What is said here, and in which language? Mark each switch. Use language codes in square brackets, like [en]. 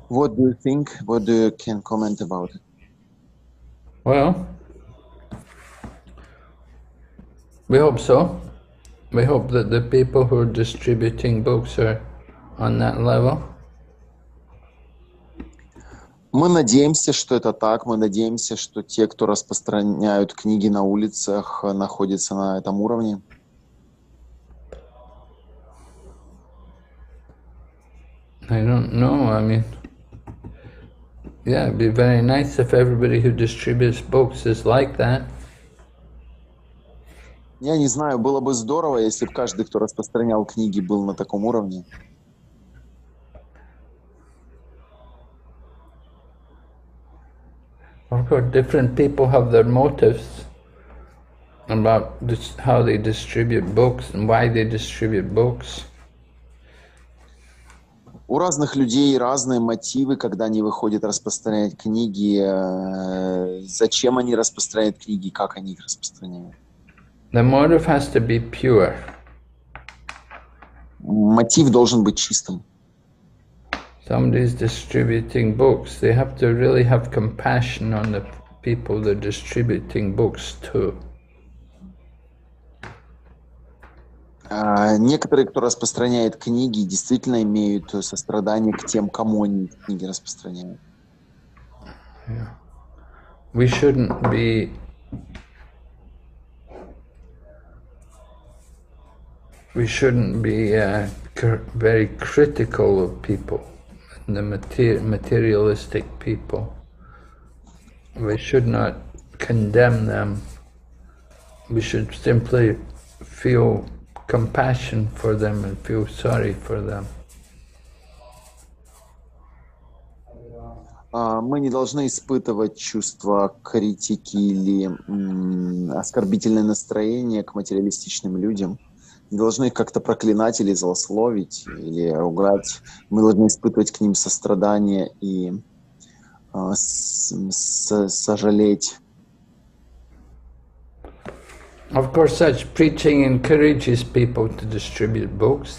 [en] What do you think? What do you can comment about? Well, we hope so. We hope that the people who are distributing books are on that level. [ru] Мы надеемся, что это так. Мы надеемся, что те, кто распространяют книги на улицах, находятся на этом уровне. [en] I don't know. I mean, yeah, it'd be very nice if everybody who distributes books is like that. [ru] Я не знаю, было бы здорово, если бы каждый, кто распространял книги, был на таком уровне. [en] Of course, different people have their motives about this, how they distribute books and why they distribute books. [ru] У разных людей разные мотивы, когда они выходят распространять книги, зачем они распространяют книги, как они их распространяют. [en] The motive has to be pure. [ru] Мотив должен быть чистым. [en] Somebody is distributing books. They have to really have compassion on the people they're distributing books to. [ru] Некоторые, кто распространяет книги, действительно имеют сострадание к тем, кому они книги распространяют. [en] Yeah. We shouldn't be very critical of people, the materialistic people. We should not condemn them. We should simply feel compassion for them and feel sorry for them. [ru] Мы не должны испытывать чувства критики или оскорбительное настроение к материалистичным людям. Не должны их как-то проклинать или злословить, или ругать. Мы должны испытывать к ним сострадание и сожалеть. [en] Of course, such preaching encourages people to distribute books.